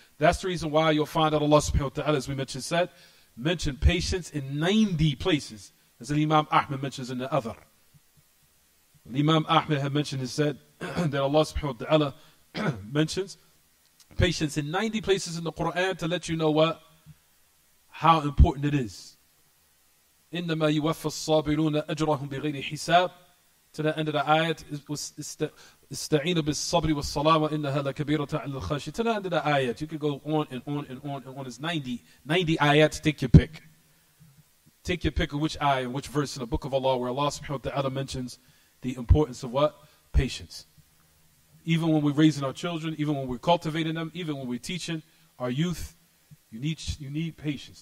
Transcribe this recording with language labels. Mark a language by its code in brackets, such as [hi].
[en] That's the reason why you'll find out Allah subhanahu wa ta'ala, as we mentioned, said, mentioned patience in 90 places, as Imam Ahmed mentions in the other. Imam Ahmed had mentioned and said that Allah subhanahu wa ta'ala mentions patience in 90 places in the Quran to let you know what, how important it is. [ar] إِنَّمَا يُوَفَّى الصَّابِرُونَ أَجْرَهُمْ بِغَيْرِ حِسَابٍ. [en] To the end of the ayat, [ar] إِسْتَعِينُ بِالصَّبْرِ وَالصَّلَاةِ وَإِنَّهَا لَكَبِيرَةٌ عَلَى الْخَاشِعِينَ. [en] To the end of the ayat, you can go on and on and on and on. It's 90 ayat, take your pick. Take your pick of which ayah and which verse in the book of Allah where Allah subhanahu wa ta'ala mentions the importance of what? Patience. Even when we're raising our children, even when we're cultivating them, even when we're teaching our youth, you need patience.